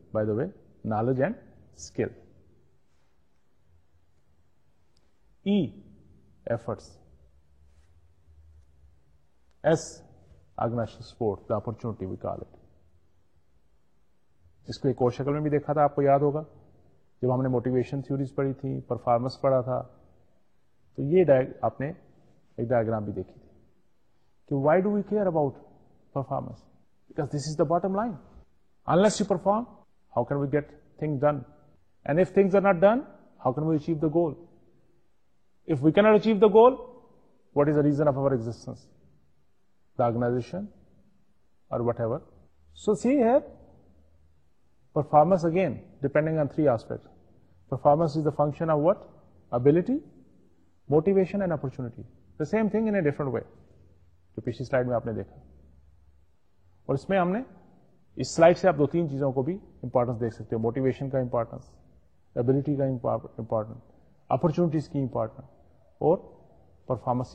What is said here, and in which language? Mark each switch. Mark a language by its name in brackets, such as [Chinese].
[English] By the way, knowledge and skill. E, efforts. S, organizational support, the opportunity we call it. [Urdu] اس کو ایک اور شکل میں بھی دیکھا تھا, آپ کو یاد ہوگا جب ہم نے موٹیویشن تھیوریز پڑھی تھی, پرفارمنس پڑھا تھا, تو یہ آپ نے ایک ڈائگرام بھی دیکھی. [English] Why do we care about performance? Because this is the bottom line. Unless you perform, how can we get things done? And if things are not done, how can we achieve the goal? If we cannot achieve the goal, what is the reason of our existence? The organization or whatever. So see here, performance again, depending on three aspects. Performance is the function of what? Ability, motivation and opportunity. The same thing in a different way. [Urdu] جو پچھلی slide میں آپ نے دیکھا. اور اس میں ہم نے اس سلائڈ سے آپ دو تین چیزوں کو بھی امپورٹنس دیکھ سکتے ہو, موٹیویشن کا امپورٹنس, ابلٹی کا امپورٹنس, اپرچونیٹیز کی امپورٹنس اور پرفارمنس.